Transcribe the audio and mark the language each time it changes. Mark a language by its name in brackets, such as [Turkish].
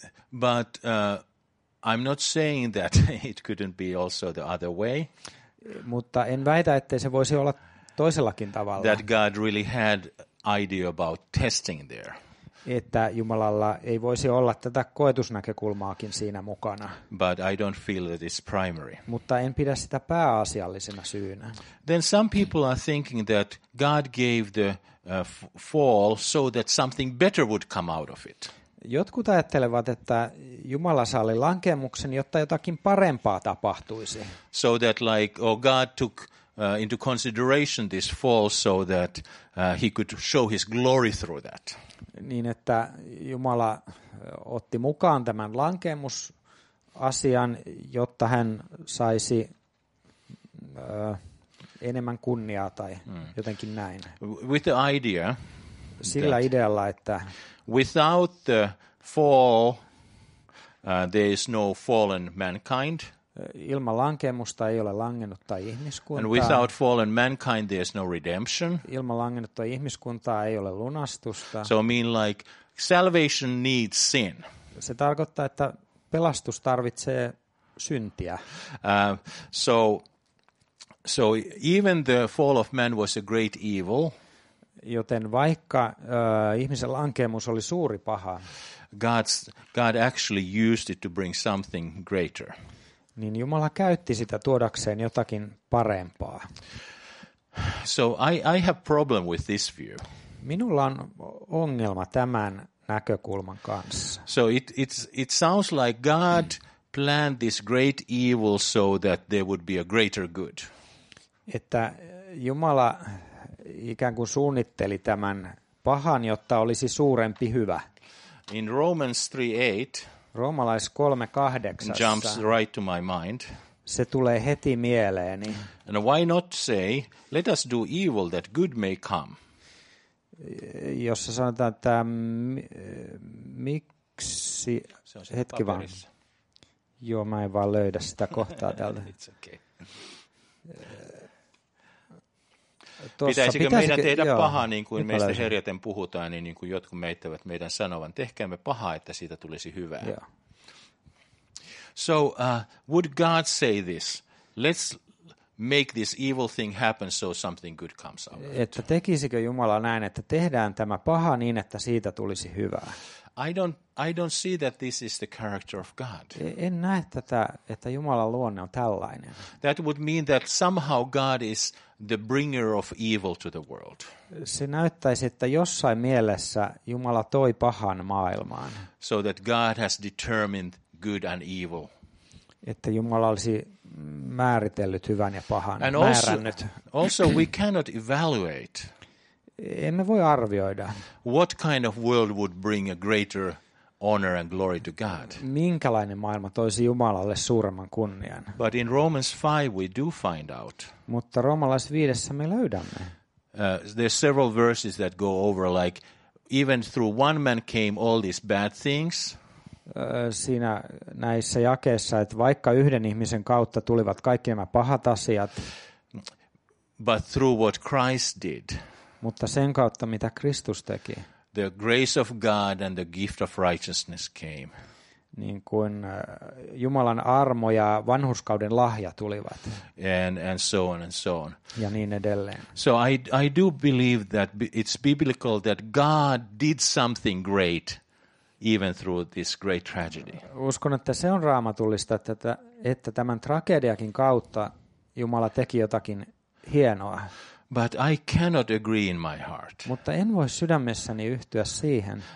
[English] But I'm not saying that it couldn't be also the other way. [Finnish] Mutta en väitä, ettei se voisi olla toisellakin tavalla. [English] That God really had idea about testing there. [Finnish] Että Jumalalla ei voisi olla tätä koetusnäkökulmaakin siinä mukana. [English] But I don't feel that it's primary. [Finnish] Mutta en pidä sitä pääasiallisena syynä. [English] Then some people are thinking that God gave the fall so that something better would come out of it. [Finnish] Jotkut ajattelevat, että Jumala salli lankemuksen, jotta jotakin parempaa tapahtuisi. [English] So that like God took into consideration this fall so that he could show his glory through that. [Finnish] Niin, että Jumala otti mukaan tämän lankemusasian, jotta hän saisi enemmän kunniaa tai jotenkin näin. [English] With the idea, [Finnish] sillä idealla, että [English] without the fall, there is no fallen mankind. [Finnish] Ilman lankemusta ei ole langennutta ihmiskuntaa. [English] And without fallen mankind there is no redemption. [Finnish] Ilman langennutta ihmiskuntaa ei ole lunastusta. [English] So I mean like salvation needs sin. [Finnish] Se tarkoittaa, että pelastus tarvitsee syntiä. [English] So even the fall of man was a great evil. [Finnish] Joten vaikka ihmisen lankemus oli suuri paha, [English] God actually used it to bring something greater. [Finnish] Niin Jumala käytti sitä tuodakseen jotakin parempaa. [English] So I have problem with this view. [Finnish] Minulla on ongelma tämän näkökulman kanssa. [English] So it sounds like God planned this great evil so that there would be a greater good. [Finnish] Että Jumala ikään kuin suunnitteli tämän pahan, jotta olisi suurempi hyvä. [English] In Romans 3:8 [Finnish] Roomalais 3:8 [English] jumps right to my mind. [Finnish] Se tulee heti mieleeni. [English] And why not say, let us do evil that good may come? [Finnish] Jossa sanotaan, että miksi se on hetki paperissa. Vaan. Joo, mä en vaan löydä sitä kohtaa täältä. [English] It's okay. [Finnish] Pitäisikö meidän tehdä pahaa, niin kuin meistä herjaten puhutaan, niin kuin jotkut meittävät meidän sanovan, tehkäämme pahaa, että siitä tulisi hyvää. [English] Joo. So, would God say this? Let's make this evil thing happen so something good comes out. [Finnish] Että tekisikö Jumala näin, että tehdään tämä paha niin, että siitä tulisi hyvää? [English] I don't see that this is the character of God. [Finnish] En näe tätä, että Jumalan luonne on tällainen. [English] That would mean that somehow God is the bringer of evil to the world. [Finnish] Se näyttäisi, että jossain mielessä Jumala toi pahan maailmaan. [English] So that God has determined good and evil. [Finnish] Että Jumala olisi määritellyt hyvän ja pahan, and määrännyt. [English] Also we cannot evaluate. [Finnish] Emme voi arvioida. [English] What kind of world would bring a greater honor and glory to God? [Finnish] Minkälainen maailma toisi Jumalalle suuremman kunnian? [English] But in Romans 5 we do find out. [Finnish] Mutta Roomalais 5:ssä me löydämme. [English] There's several verses that go over like even through one man came all these bad things. [Finnish] Siinä näissä jakeissa, että vaikka yhden ihmisen kautta tulivat kaikki nämä pahat asiat. [English] But through what Christ did. [Finnish] Mutta sen kautta, mitä Kristus teki. [English] The grace of God and the gift of righteousness came. [Finnish] niin kuin Jumalan armo ja vanhurskauden lahja tulivat. [English] And so on and so on. [Finnish] Ja niin edelleen. [English] So I do believe that it's biblical that God did something great even through this great tragedy. [Finnish] Uskon, että se on raamatullista, että tämän tragediakin kautta Jumala teki jotakin hienoa. [English] But I cannot agree in my heart. [Finnish] Mutta en voi sydämessäni yhtyä siihen.